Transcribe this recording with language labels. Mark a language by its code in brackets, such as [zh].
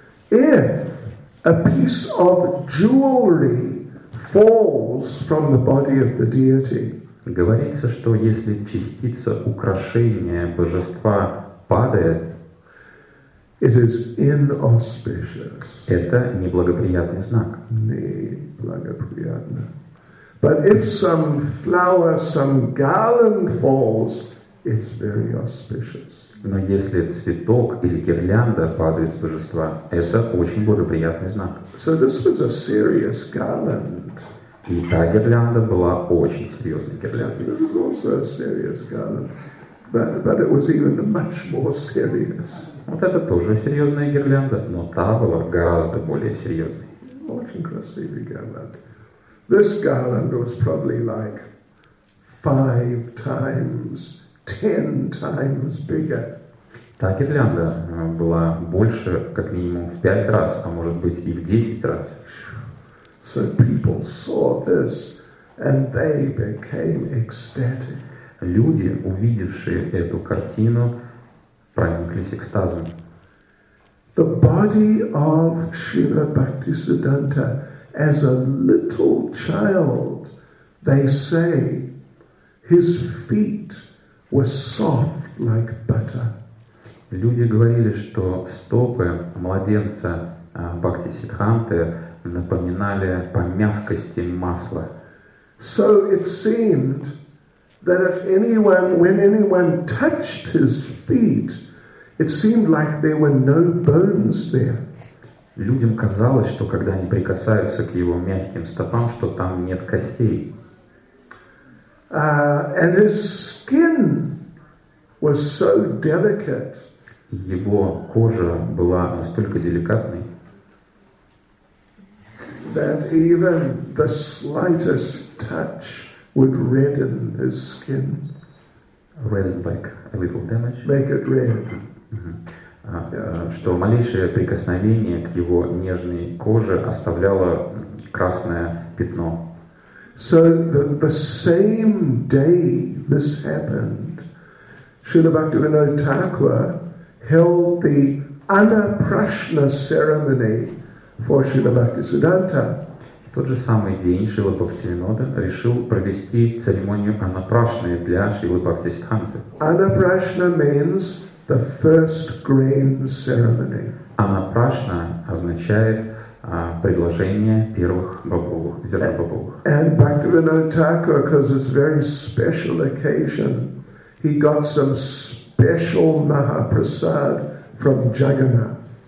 [en] If a piece of jewelry falls from the body of the deity, [ru] говорится, что если частица украшения божества падает, [en] it is inauspicious. [ru] Это неблагоприятный знак. Неблагоприятно. [en] But if some flower, some garland falls, it's very auspicious. [ru] Но если цветок или гирлянда падает с божества, это очень благоприятный знак. [en] So this was a serious garland. [ru] И та гирлянда была очень серьезной гирляндой. [en] This was also a serious garland, but it was even much more serious. [ru] Вот это тоже серьезная гирлянда, но та была гораздо более серьезной. Очень красивый гирлянд. [en] This garland was probably like 5 times, 10 times bigger. [ru] Та гирлянда была больше как минимум в 5 раз, а может быть и в 10 раз. [en] So people saw this and they became ecstatic. [ru] Люди, увидевшие эту картину, прониклись экстазом. [en] The body of Śrīla Bhaktisiddhānta as a little child, they say, his feet were soft like butter. [ru] Люди говорили, что стопы младенца Бхактисиддханты напоминали по мягкости масло. [en] So it seemed that if anyone, when anyone touched his feet, it seemed like there were no bones there. [ru] Людям казалось, что когда они прикасаются к его мягким стопам, что там нет костей. [en] And his skin was so delicate. [ru] Его кожа была настолько деликатной, [en] that even the slightest touch would redden his skin. Redden like a little damage. Make it red. [ru] Что малейшее прикосновение к его нежной коже оставляло красное пятно. [en] So the same day this happened, Śrīla Bhaktivinoda Thakura held the Annaprashna ceremony for Śrīla Bhaktisiddhānta. [ru] Тот же самый день Śrīla Bhaktivinoda решил провести церемонию Annaprashna для Śrīla Bhaktisiddhānta. [en] Annaprashna means the first grain ceremony. [ru] Annaprashna означает предложение первых бобовых, зерна бобовых. [en] And Bhaktivinoda Thakura, because it's a very special occasion, he got some special Mahaprasad from Jagannath.